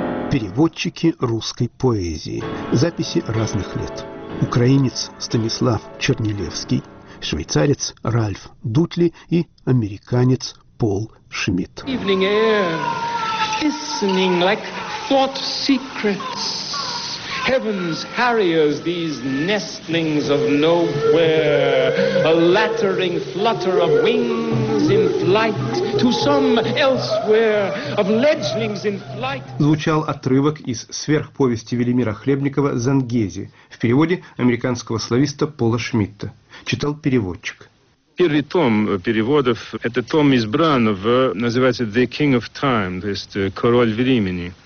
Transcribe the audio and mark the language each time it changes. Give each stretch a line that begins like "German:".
Russian: Переводчики русской поэзии. Записи разных лет. Украинец Станислав Чернилевский, швейцарец Ральф Дутли и американец Пол Шмидт.
English: Evening air, listening like thought secrets. Heaven's harriers, these nestlings of nowhere. A lattering flutter of wings in flight to some elsewhere, of ledgelings in flight.
Russian: Звучал отрывок из сверхповести Велимира Хлебникова «Зангези» в переводе американского слависта Пола Шмидта. Читал переводчик. Первый том переводов, это том избран в, называется «The King of Time», то есть «Король времени».